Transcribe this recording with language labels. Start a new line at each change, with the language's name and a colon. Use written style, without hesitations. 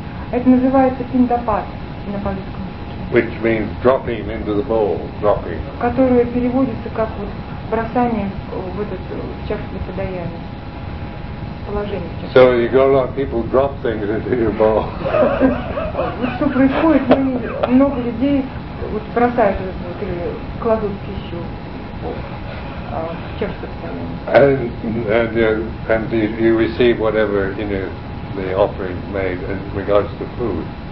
Russian: Это называется пиндапат на палийском языке.
English: Which means dropping into the bowl, dropping.
Russian: Которое переводится как вот бросание в этот чашу для подаяния.
English: So you go along, people drop things into your bowl.
Russian: Вот что происходит, много людей вот бросают вот или кладут пищу в чашу.
English: And you receive whatever in the offering made in regards to food.